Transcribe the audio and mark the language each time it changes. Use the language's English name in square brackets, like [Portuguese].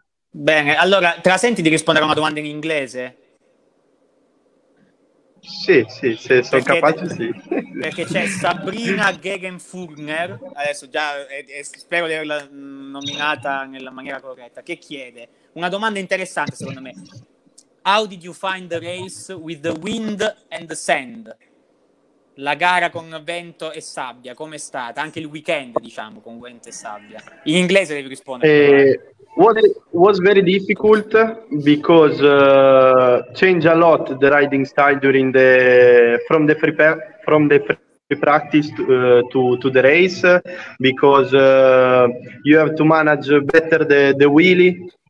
[Italian] Bene, allora te la senti di rispondere a una domanda in inglese? Sì, se sono capace, sì. Perché c'è Sabrina Gegenfurner, adesso già spero di averla nominata nella maniera corretta, che chiede una domanda interessante secondo me. [English] How did you find the race with the wind and the sand? [Italian] La gara con vento e sabbia, com'è stata? Anche il weekend, diciamo, con vento e sabbia. In inglese devi rispondere. [English] Was very difficult because change a lot the riding style during the from the practice to the race, because you have to manage better the wheelie.